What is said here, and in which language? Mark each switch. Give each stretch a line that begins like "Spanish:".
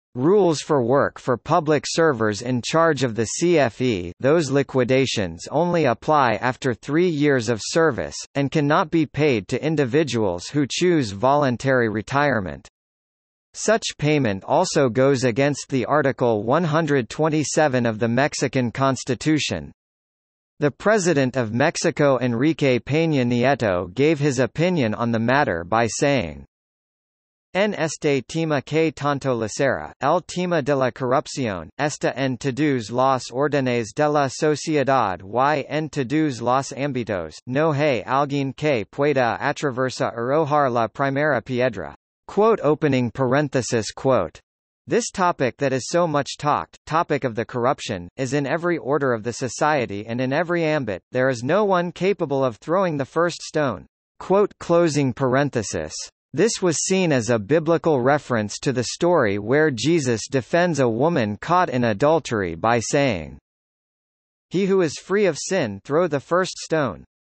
English: rules for work for public servers in charge of the CFE, those liquidations only apply after 3 years of service, and cannot be paid to individuals who choose voluntary retirement. Such payment also goes against the Article 127 of the Mexican Constitution. The President of Mexico Enrique Peña Nieto gave his opinion on the matter by saying,
Spanish: En este tema que tanto lacera, el tema de la corrupción, está en todos los órdenes de la sociedad y en todos los ámbitos, no hay alguien que pueda atravesar arrojar la primera piedra.
English: Quote opening parenthesis quote. This topic that is so much talked, topic of the corruption, is in every order of the society and in every ambit, there is no one capable of throwing the first stone. Quote closing parenthesis. This was seen as a biblical reference to the story where Jesus defends a woman caught in adultery by saying, "He who is free of sin throw the first stone."